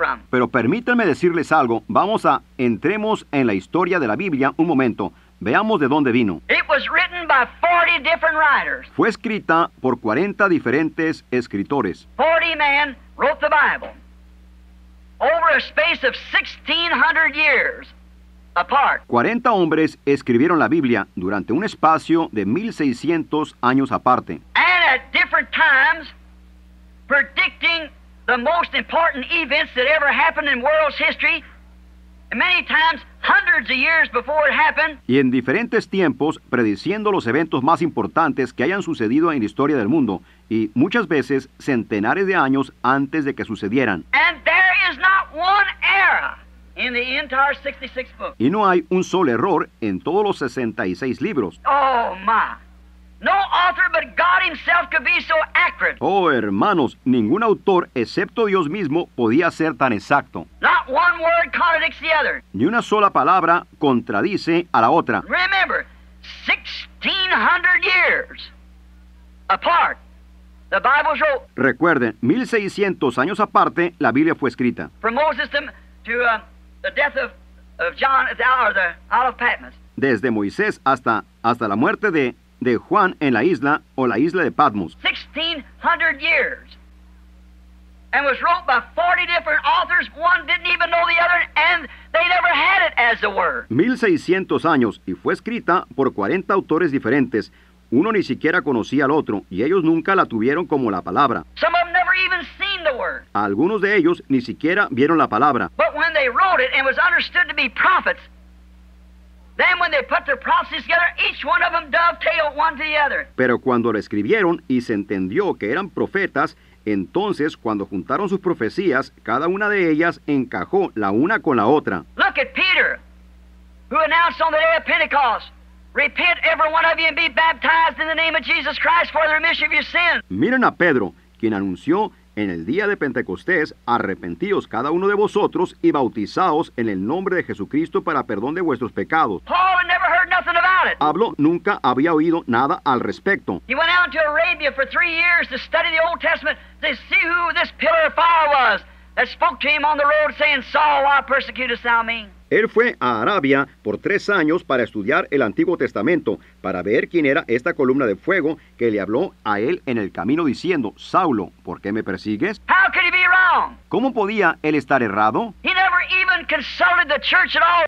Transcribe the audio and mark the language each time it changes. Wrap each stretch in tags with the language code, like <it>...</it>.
<es>Pero permítanme decirles algo. Entremos en la historia de la Biblia un momento. Veamos de dónde vino.</es> <en>It was written by 40 different writers.</en> <es>Fue escrita por 40 diferentes escritores.</es> <en>40 men wrote the Bible over a space of 1600 years apart.</en> <es>40 hombres escribieron la Biblia durante un espacio de 1600 años aparte.</es> <en>And at different times, predicting the most important events that ever happened in world's history. Many times, hundreds of years before it happened.</en> <es>Y en diferentes tiempos, prediciendo los eventos más importantes que hayan sucedido en la historia del mundo, y muchas veces centenares de años antes de que sucedieran.</es> <en>And there is not one error in the entire 66 books.</en> <es>Y no hay un solo error en todos los 66 libros.</es> <en>Oh, my. No author but God himself could be so accurate.</en> <es>Oh, hermanos, ningún autor excepto Dios mismo podía ser tan exacto.</es> <en>Not one word contradicts the other.</en> <es>Ni una sola palabra contradice a la otra.</es> <en>Remember, 1600 years apart, the Bible's wrote.</en> <es>Recuerden, 1600 años aparte, la Biblia fue escrita.</es> <en>From Moses to the death of John or the Isle of Patmos.</en> <es>Desde Moisés hasta la muerte de Juan en la isla o la isla de Patmos.</es> <en>1600 years. And was wrote by 40 different authors. One didn't even know the other and they never had it as the word.</en> <es>1600 años y fue escrita por 40 autores diferentes. Uno ni siquiera conocía al otro y ellos nunca la tuvieron como la palabra.</es> <en>Some of them never even seen the word.</en> <es>Algunos de ellos ni siquiera vieron la palabra.</es> <en>But when they wrote it and was understood to be prophets. Then when they put their prophecies together, each one of them dovetailed one to the other.</en> <es>Pero cuando lo escribieron y se entendió que eran profetas, entonces cuando juntaron sus profecías, cada una de ellas encajó la una con la otra.</es> <en>Look at Peter, who announced on the day of Pentecost, repent every one of you and be baptized in the name of Jesus Christ for the remission of your sins.</en> <es>Miren a Pedro, quien anunció en el día de Pentecostés, arrepentíos cada uno de vosotros y bautizaos en el nombre de Jesucristo para perdón de vuestros pecados.</es> <en>Paul had never heard nothing about it.</en> <es>Pablo nunca había oído nada al respecto.</es> <en>He went out to Arabia for 3 years to study the Old Testament to see who this pillar of fire was that spoke to him on the road saying, Saul, why persecutest thou me?</en> <es>Él fue a Arabia por 3 años para estudiar el Antiguo Testamento, para ver quién era esta columna de fuego que le habló a él en el camino diciendo, Saulo, ¿por qué me persigues?</es> <en>How could he be wrong?</en> <es>¿Cómo podía él estar errado?</es> <en>He never even consulted the church at all.</en>